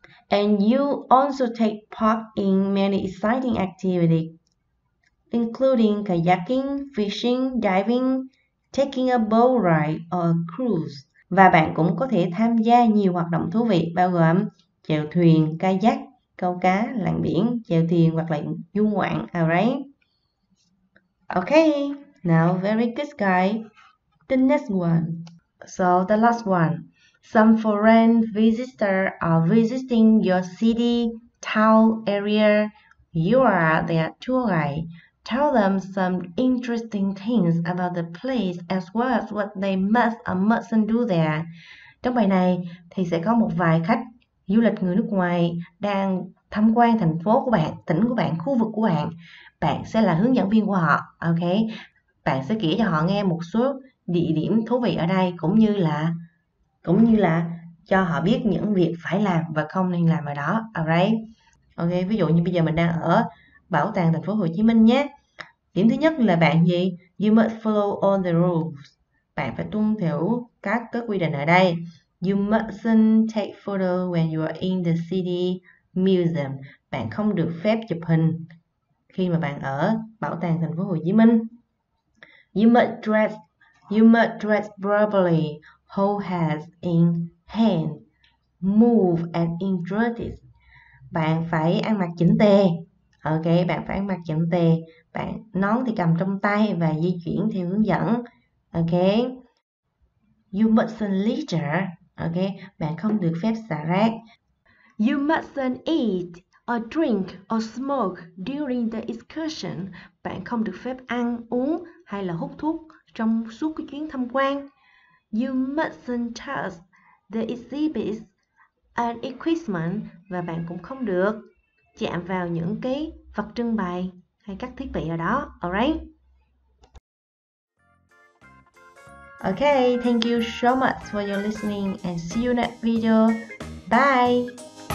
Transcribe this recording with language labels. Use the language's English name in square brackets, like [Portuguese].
[English] And you also take part in many exciting activities, including kayaking, fishing, diving, taking a boat ride or a cruise. [Vietnamese] Và bạn cũng có thể tham gia nhiều hoạt động thú vị, bao gồm chèo thuyền, kayak, câu cá, lặn biển, chèo thuyền hoặc là du ngoạn, alright? [English] Okay, now very good guy. The next one. So the last one. Some foreign visitors are visiting your city, town, area. You are their tour guide. Tell them some interesting things about the place as well as what they must or mustn't do there. [Vietnamese] Trong bài này thì sẽ có một vài khách du lịch người nước ngoài đang tham quan thành phố của bạn, tỉnh của bạn, khu vực của bạn. Bạn sẽ là hướng dẫn viên của họ, ok? Bạn sẽ kể cho họ nghe một số địa điểm thú vị ở đây cũng như là cho họ biết những việc phải làm và không nên làm ở đó, alright? Ok, ví dụ như bây giờ mình đang ở Bảo tàng Thành phố Hồ Chí Minh nhé. Điểm thứ nhất là bạn gì? [English] You must follow all the rules. [Vietnamese] Bạn phải tuân theo các quy định ở đây. [English] You mustn't take photo when you are in the city museum. [Vietnamese] Bạn không được phép chụp hình khi mà bạn ở Bảo tàng Thành phố Hồ Chí Minh. [English] You must dress properly. Hold hands in hand. Move and interest. [Vietnamese] Bạn phải ăn mặc chỉnh tề. Ok, bạn phải ăn mặc chỉnh tề, bạn nón thì cầm trong tay và di chuyển theo hướng dẫn. [English] Ok, you mustn't litter. [Vietnamese] Ok, bạn không được phép xả rác. [English] You mustn't eat or drink or smoke during the excursion. [Vietnamese] Bạn không được phép ăn, uống hay là hút thuốc trong suốt cái chuyến tham quan. [English] You mustn't touch the exhibits and equipment. [Vietnamese] Và bạn cũng không được chạm vào những cái vật trưng bày hay các thiết bị ở đó. [English] Alright. Okay, thank you so much for your listening and see you next video. Bye.